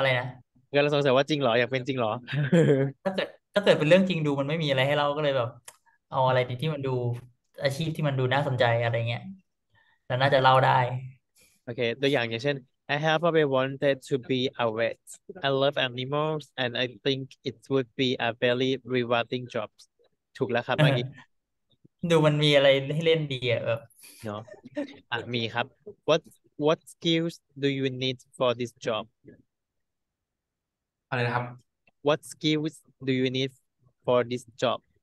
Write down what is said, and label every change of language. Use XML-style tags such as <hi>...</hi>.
<th>ะไรนะ กำลังสงสัยว่าจริงเหรออยากเป็นจริงเหรอ ถ้าเกิดเป็นเรื่องจริงดูมันไม่มีอะไรให้เล่าก็เลยแบบเอาอะไรที่มันดูอาชีพที่มันดูน่าสนใจอะไรเงี้ยแล้วน่าจะเล่าได้ โอเคตัวอย่างอย่างเช่น</th> <en>I have always wanted to be a vet. I love animals and I think it would be a very rewarding job.</en> <th>ถูกแล้วครับเมื่อกี้ ดูมันมีอะไรให้เล่นดีอ่ะแบบ เนาะอ่ะมีครับ</th> <en>What skills do you need for this job?</en> <th>อะไรนะครับ</th> <en>What skills do you need for this job?</en>